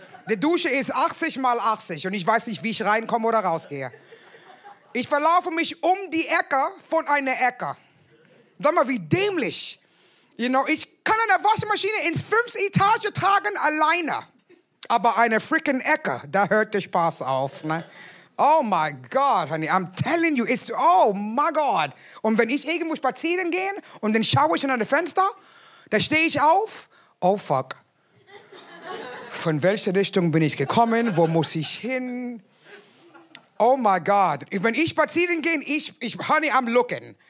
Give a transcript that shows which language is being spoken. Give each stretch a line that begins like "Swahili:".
German: Die Dusche ist 80 mal 80 und ich weiß nicht, wie ich reinkomme oder rausgehe. Ich verlaufe mich um die Ecke von einer Ecke. Sag mal, wie dämlich.
English: You know,
German: ich kann eine Waschmaschine ins 5. Etage tragen alleine. Aber eine freaking Ecke, da hört der Spaß auf. Ne?
English: Oh my God, Honey, I'm telling you, it's, oh my God.
German: Und wenn ich irgendwo spazieren gehe und dann schaue ich in ein Fenster, da stehe ich auf,
English: oh fuck.
German: Von welcher Richtung bin ich gekommen? Wo muss ich hin?
English: Oh my God,
German: wenn ich spazieren gehe, ich,
English: Honey, I'm looking.